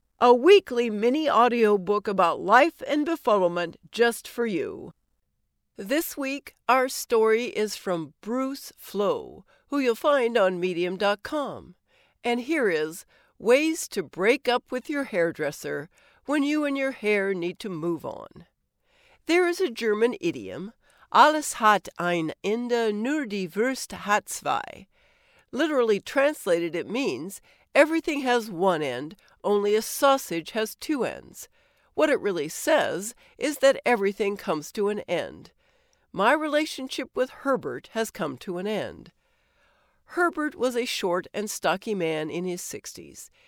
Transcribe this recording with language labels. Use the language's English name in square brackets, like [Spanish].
[English] A weekly mini audio book about life and befuddlement just for you. This week, our story is from Bruce Flo, who you'll find on Medium.com. And here is Ways to Break Up with Your Hairdresser When You and Your Hair Need to Move On. There is a German idiom, [German] Alles hat ein Ende, nur die Wurst hat zwei. [English] Literally translated, it means, everything has one end, only a sausage has two ends. What it really says is that everything comes to an end. My relationship with Herbert has come to an end. Herbert was a short and stocky man in his 60s.